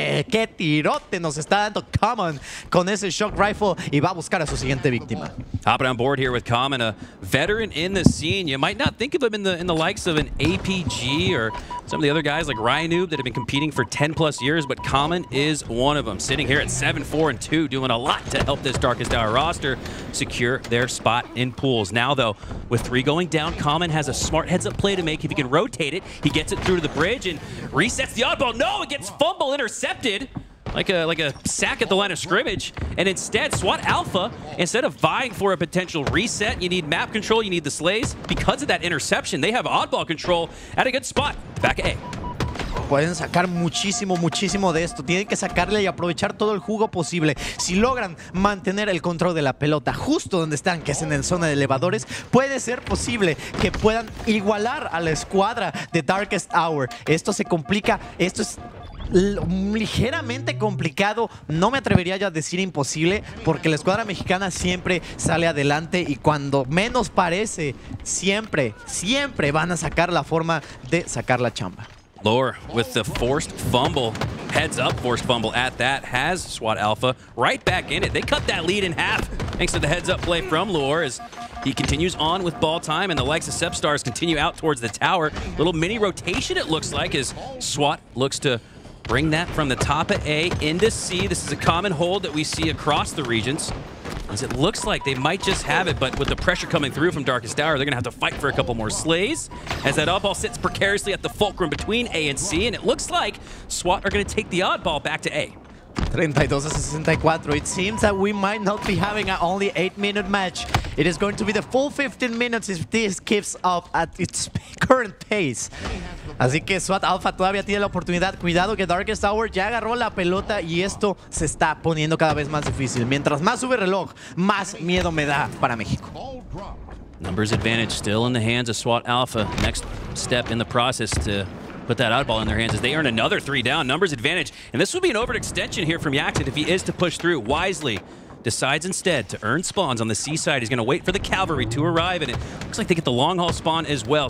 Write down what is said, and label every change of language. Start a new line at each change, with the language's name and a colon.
Spanish: ¡Qué tirote nos está dando Common con ese shock rifle! Y va a buscar a su siguiente víctima.
English: Hopping on board here with Common, a veteran in the scene. You might not think of him in the likes of an APG or some of the other guys like Ryanoob that have been competing for 10-plus years, but Common is one of them. Sitting here at 7-4-2, doing a lot to help this Darkest Hour roster secure their spot in pools. Now, though, with three going down, Common has a smart heads-up play to make. If he can rotate it, he gets it through to the bridge and resets the oddball. No, it gets fumble intercepted like a sack at the line of scrimmage. And instead, SWAT Alpha, instead of vying for a potential reset, you need map control, you need the slays. Because of that interception, they have oddball control at a good spot. Back A.
Spanish: Pueden sacar muchísimo, muchísimo de esto. Tienen que sacarle y aprovechar todo el jugo posible. Si logran mantener el control de la pelota justo donde están, que es en el zona de elevadores, puede ser posible que puedan igualar a la escuadra de Darkest Hour. Esto se complica. Esto es ligeramente complicado. No me atrevería ya a decir imposible, porque la escuadra mexicana siempre sale adelante y cuando menos parece, siempre, siempre van a sacar la forma de sacar la chamba.
English: Leuor with the forced fumble, heads up forced fumble at that, has SWAT Alpha right back in it. They cut that lead in half thanks to the heads up play from Leuor as he continues on with ball time, and the likes of Sepstars continue out towards the tower. Little mini rotation it looks like as SWAT looks to bring that from the top of A into C. This is a common hold that we see across the regions, as it looks like they might just have it, but with the pressure coming through from Darkest Hour, they're gonna have to fight for a couple more slays, as that oddball sits precariously at the fulcrum between A and C, and it looks like SWAT are gonna take the oddball back to A. 32-64. It seems that we might not be having an only 8-minute match. It is going to be the full 15 minutes if this keeps up at its current pace.
Spanish: Así que SWAT Alpha todavía tiene la oportunidad. Cuidado que Darkest Hour ya agarró la pelota y esto se está poniendo cada vez más difícil. Mientras más sube el reloj, más miedo me da para México.
English: Numbers advantage still in the hands of SWAT Alpha. Next step in the process to put that oddball in their hands as they earn another three down. Numbers advantage. And this will be an overextension here from Yakzn if he is to push through. Wisely decides instead to earn spawns on the seaside. He's going to wait for the cavalry to arrive, and it looks like they get the long haul spawn as well.